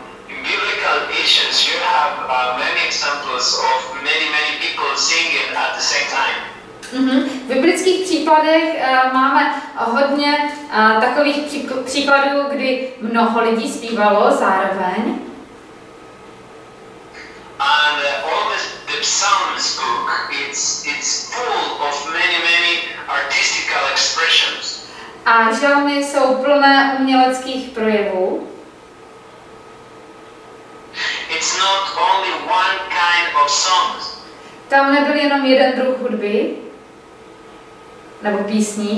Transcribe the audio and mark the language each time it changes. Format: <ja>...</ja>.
<en>In biblical issues, you have many examples of many people singing at the same time.</en> <cs>V biblických případech máme hodně takových příkladů, kdy mnoho lidí zpívalo zároveň.</cs> <en>And all the psalms book, it's full of many artistical expressions.</en> <cs>A žalmy jsou plné uměleckých projevů.</cs> <en>It's not only one kind of songs.</en> <cs>Tam nebyl jenom jeden druh hudby nebo písní.</cs>